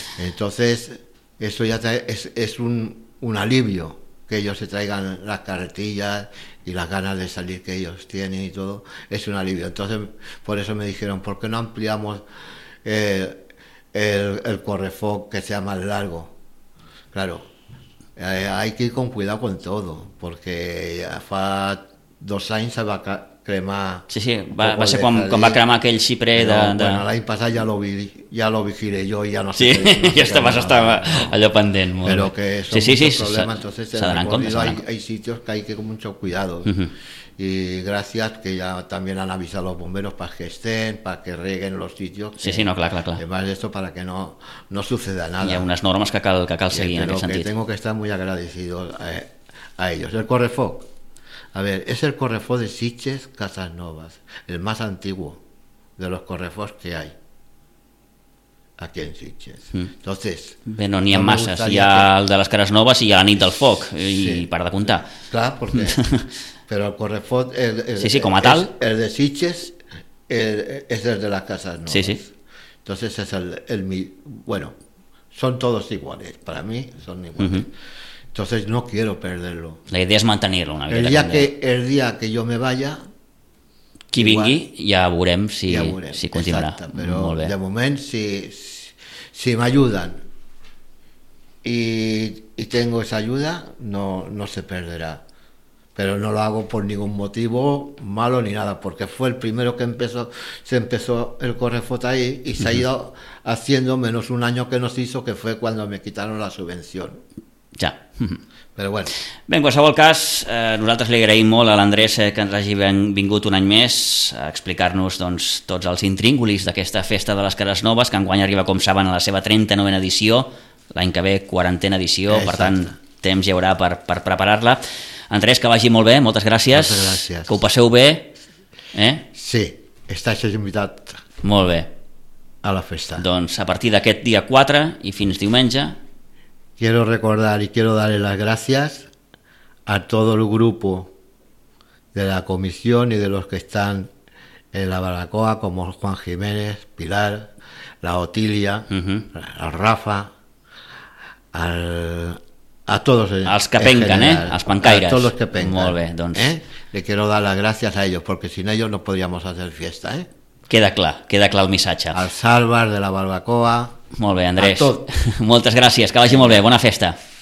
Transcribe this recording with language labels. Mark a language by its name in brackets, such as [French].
[Spanish] Entonces, eso ya es un alivio, que ellos se traigan las carretillas y las ganas de salir que ellos tienen y todo, es un alivio. Entonces, por eso me dijeron, ¿por qué no ampliamos el correfoc que sea más largo? Claro, hay que ir con cuidado con todo, porque [Catalan] fa 2 anys se va a cremar. Sí, sí, va ser quan va cremar aquell xipre. No, de... Bueno, l'any passat ja lo vigiré jo i ja no sé. Sí, ja estava allò pendent. Molt. Però que és sí, [Spanish] un problema, entonces se darán cuenta. Hay sitios que hay que con mucho cuidado. Uh-huh. Y gracias que ya también han avisado los bomberos para que estén, para que reguen los sitios. [Catalan] Sí, sí, no, clar. [Spanish] Además de esto, para que no suceda nada. [Catalan] Hi ha unes normes que cal seguir en aquest sentit. [Spanish] Que tengo que estar muy agradecido a ellos. El correfoc. A ver, es el correfoc de Sitges Casasnovas, el más antiguo de los correfocs que hay aquí en Sitges. Entonces, [Catalan] bueno, n'hi ha massa, hi ha el de les Casasnovas i hi ha la nit del foc, sí, i para de comptar. Clar, perquè, però el correfoc sí, com a tal. El de Sitges és el de les Casasnovas. Sí, sí. [Spanish] Entonces es el bueno, son todos iguales, para mí son iguales. Uh-huh. Entonces no quiero perderlo. La idea es mantenerlo una vida. El día que yo me vaya, [Catalan] qui vingui, ja veurem si continuarà. Exacte, però de moment si m'ajuden [Spanish] y tengo esa ayuda, no se perderá. Pero no lo hago por ningún motivo malo ni nada, porque fue el primero que se empezó el correfoc ahí y se ha ido haciendo menos un año que nos hizo, que fue cuando me quitaron la subvención. [Catalan] Ja. Però bueno. Bé, en qualsevol cas, nosaltres li agraïm molt a l'Andrés que ens hagi vingut un any més a explicar-nos doncs, tots els intríngulis d'aquesta festa de les Cares Noves, que enguany arriba, com saben, a la seva 39a edició, l'any que ve 40a edició. Exacte. Per tant, temps hi haurà per preparar-la. Andrés, que vagi molt bé, moltes gràcies. Moltes gràcies. Que ho passeu bé. Sí, estàs invitat. Molt bé. A la festa. Doncs a partir d'aquest dia 4 i fins diumenge... [Spanish] Quiero recordar y quiero darle las gracias a todo el grupo de la comisión y de los que están en la baracoa, como Juan Jiménez, Pilar, la Otilia, uh-huh, al Rafa, a todos ellos. [Catalan] Als que pengan, als pancaires. [Spanish] A todos los que pengan. [Catalan] Molt bé, doncs. [Spanish] Le quiero dar las gracias a ellos, porque sin ellos no podríamos hacer fiesta. [Catalan] Queda clar el missatge. [Spanish] Al Salvar de la baracoa. [Catalan] Molt bé, Andrés. Moltes gràcies. Que vagi molt bé. Bona festa.